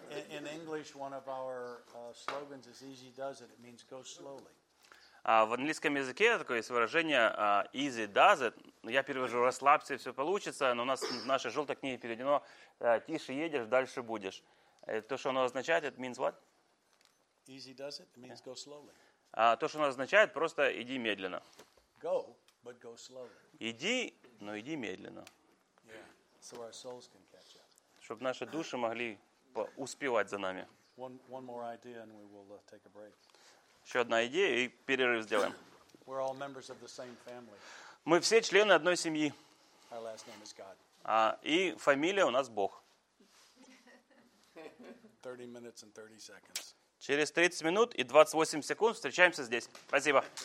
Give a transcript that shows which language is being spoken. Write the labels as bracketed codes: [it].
[en] In English, one of our slogans is "easy does it". It means go slowly. [ru] В английском языке такое есть выражение [en] "easy does it". [ru] Я перевожу расслабься, все получится. Но у нас в нашей желтой книге переведено "тише едешь, дальше будешь". То, что оно означает, [en] it means what? Easy does it. It means go slowly. [ru] То, что оно означает, просто иди медленно. [en] Go, but go slowly. [ru] Иди, но иди медленно. [en] Yeah. So our souls can catch up. [ru] Чтобы наши души могли успевать за нами. [en] One more idea and we will take a break. [ru] Еще одна идея, и перерыв сделаем. [en] We're all members of the same family. [ru] Мы все члены одной семьи. [en] Our last name is God. [ru] И фамилия у нас Бог. [en] 30 minutes and 30 seconds. [ru] Через 30 минут и 28 секунд встречаемся здесь. Спасибо.